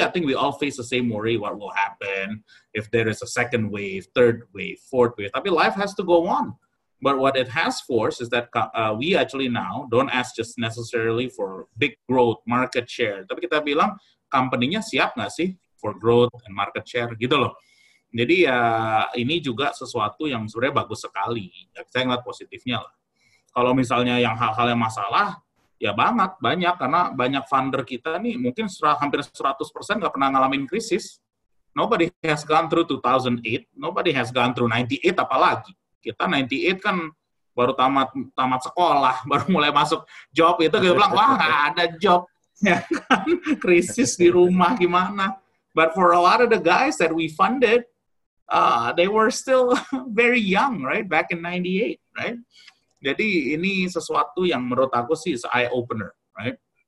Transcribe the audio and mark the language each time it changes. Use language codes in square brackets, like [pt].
[en] I think we all face the same worry. What will happen if there is a second wave, third wave, fourth wave? I mean, life has to go on. But what it has forced is that we actually now don't ask just necessarily for big growth, market share. [id] Tapi kita bilang, company-nya siap nggak sih [en] for growth and market share, [id] gitu loh. Jadi ya ini juga sesuatu yang sebenarnya bagus sekali. Saya ngeliat positifnya lah. Kalau misalnya yang hal-hal yang masalah, ya banget, banyak. Karena banyak founder kita nih mungkin hampir 100% nggak pernah ngalamin krisis. [en] Nobody has gone through 2008, nobody has gone through 98 apalagi. [id] Kita 98 kan baru tamat sekolah, baru mulai masuk job itu, kita bilang, wah gak ada job. Ya kan? Krisis di rumah gimana. [en] But for a lot of the guys that we funded, they were still very young, right? Back in 98, right? [id] Jadi ini sesuatu yang menurut aku sih [en] is eye-opener, right?